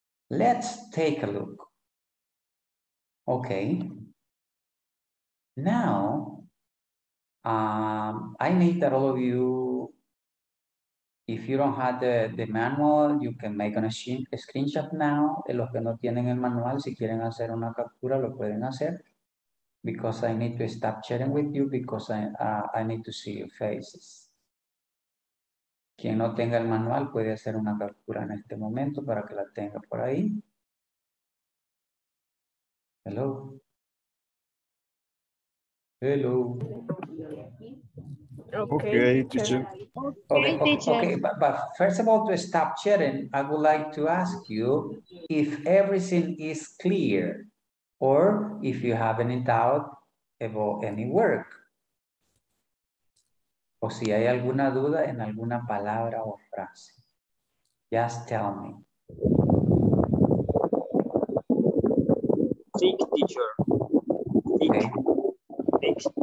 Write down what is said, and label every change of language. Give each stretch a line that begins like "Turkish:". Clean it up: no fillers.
English: Let's take a look. Okay. Now, I need that all of you, if you don't have the manual, you can make a screenshot now.
Spanish: Los que no tienen el manual, si quieren hacer una captura, lo pueden hacer.
English: Because I need to stop sharing with you because I need to see your faces.
Spanish: Quien no tenga el manual puede hacer una captura en este momento para que la tenga por ahí.
English: Hello. Hello. Okay, teacher. But first of all, to stop chatting, I would like to ask you if everything is clear or if you have any doubt about any work.
Spanish: O si hay alguna duda en alguna palabra o frase.
English: Just tell me. Think, teacher. Think. Okay. Think.